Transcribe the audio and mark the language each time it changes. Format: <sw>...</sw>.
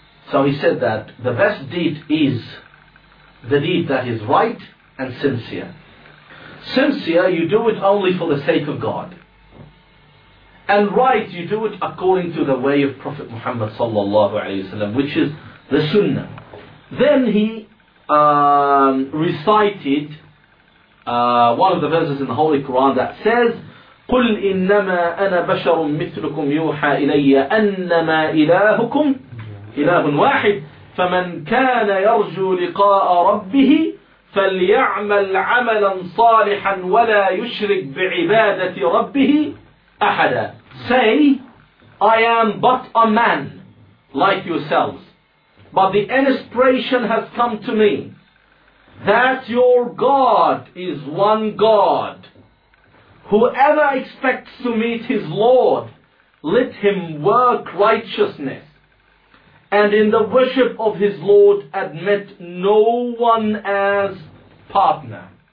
<en>So he said that the best deed is the deed that is right and sincere. Sincere, you do it only for the sake of God. And right, you do it according to the way of Prophet Muhammad sallallahu alayhi wa sallam, which is the Sunnah. Then he recited one of the verses in the Holy Quran that says,</en> <ar>قُلْ إِنَّمَا أَنَا بَشَرٌ مِثْلُكُمْ يُوحَى إِلَيَّ أَنَّمَا إِلَهُكُمْ إِلَهٌ وَاحِدٌ فَمَنْ كَانَ يَرْجُو لِقَاءَ رَبِّهِ فَلْيَعْمَلْ عَمَلًا صَالِحًا وَلَا يُشْرِكْ بِعِبَادَةِ رَبِّهِ أَحَدًا.</ar> <en>Say, I am but a man like yourselves, but the inspiration has come to me that your God is one God. Whoever expects to meet his Lord, let him work righteousness, and in the worship of his Lord, admit no one as partner.</en>